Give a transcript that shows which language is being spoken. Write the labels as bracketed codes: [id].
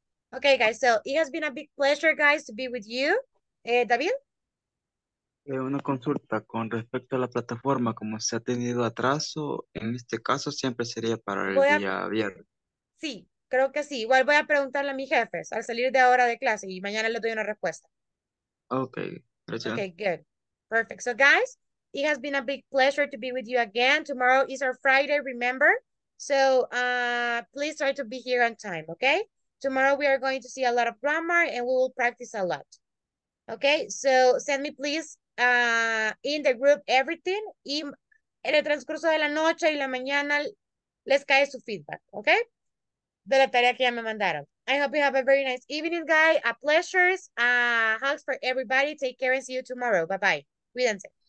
[en] Ok, guys, so it has been a big pleasure, guys, to be with you. [es] ¿David? Una consulta con respecto a la plataforma, como se ha tenido atraso, en este caso siempre sería para el día viernes. Sí, Creo que sí. Igual voy a preguntarle a mis jefes al salir de ahora de clase y mañana les doy una respuesta. Okay, gracias. [en] Okay, good. Perfect. So guys, it has been a big pleasure to be with you again. Tomorrow is our Friday, remember? So please try to be here on time, okay? Tomorrow we are going to see a lot of grammar and we will practice a lot. Okay, so send me please in the group everything. [es] Y en el transcurso de la noche y la mañana les cae su feedback, okay? De la tarea que ya me mandaron. [en] I hope you have a very nice evening, guys. A pleasure. Hugs for everybody. Take care and see you tomorrow. Bye-bye. Cuídense.